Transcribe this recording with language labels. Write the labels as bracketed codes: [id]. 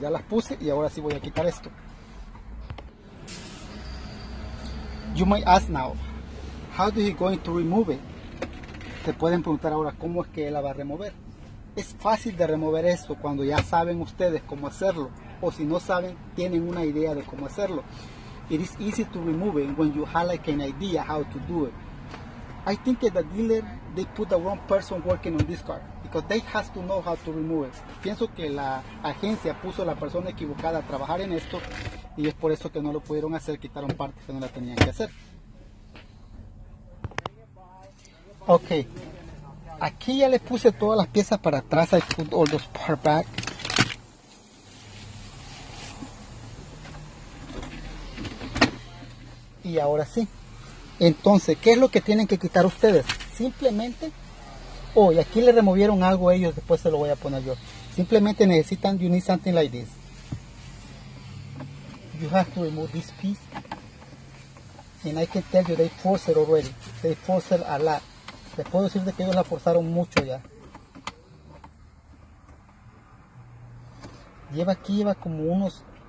[es] Ya las puse y ahora sí voy a quitar esto. [en] You might ask now, how do he going to remove it? [es] Te pueden preguntar ahora cómo es que él la va a remover. Es fácil de remover esto cuando ya saben ustedes cómo hacerlo. O si no saben, tienen una idea de cómo hacerlo. [en] It is easy to remove it when you have like an idea how to do it. I think that the dealer, they put the wrong person working on this car because they have to know how to remove it. [es] Pienso que la agencia puso a la persona equivocada a trabajar en esto y es por eso que no lo pudieron hacer, quitaron partes que no la tenían que hacer. Ok, aquí ya le puse todas las piezas para atrás. [en] I put all those parts back. [es] Y ahora sí. Entonces, ¿qué es lo que tienen que quitar ustedes? Simplemente, oh, y aquí le removieron algo a ellos, después se lo voy a poner yo. Simplemente necesitan, [en] you need something like this. You have to remove this piece. And I can tell you, they forced it already. They forced it a lot. [es] Les puedo decir de que ellos la forzaron mucho ya. Lleva aquí, lleva como unos...